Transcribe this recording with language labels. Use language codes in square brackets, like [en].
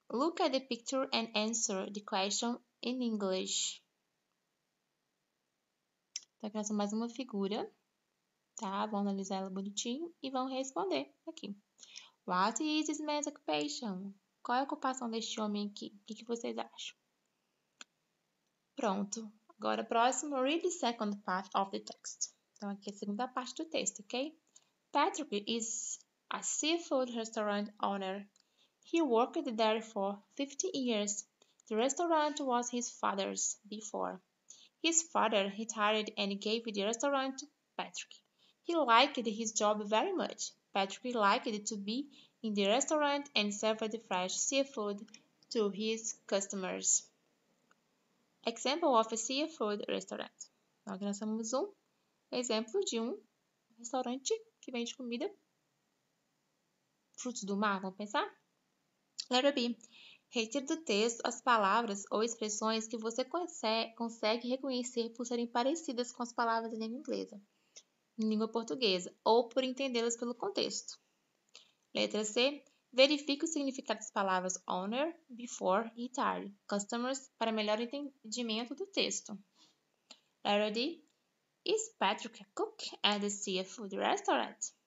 [en] Look at the picture and answer the question in English. [pt] Então, aqui nós temos mais uma figura, tá? Vamos analisar ela bonitinho e vamos responder aqui. [en] What is this man's occupation? [pt] Qual é a ocupação deste homem aqui? O que vocês acham? Pronto. Agora, próximo, [en] read the second part of the text. [pt] Então, aqui é a segunda parte do texto, ok? [en] Patrick is a seafood restaurant owner. He worked there for 50 years. The restaurant was his father's before. His father retired and gave the restaurant to Patrick. He liked his job very much. Patrick liked to be in the restaurant and serve the fresh seafood to his customers. Example of a seafood restaurant. [pt] Então, aqui nós temos um exemplo de um restaurante que vende comida. Frutos do mar, vamos pensar? [en] Letter B. [pt] Retire do texto as palavras ou expressões que você consegue reconhecer por serem parecidas com as palavras em língua inglesa. Em língua portuguesa, ou por entendê-las pelo contexto. Letra C. Verifique o significado das palavras owner, before e tarde, customers, para melhor entendimento do texto. Letra D. [en] Is Patrick a cook at the seafood restaurant?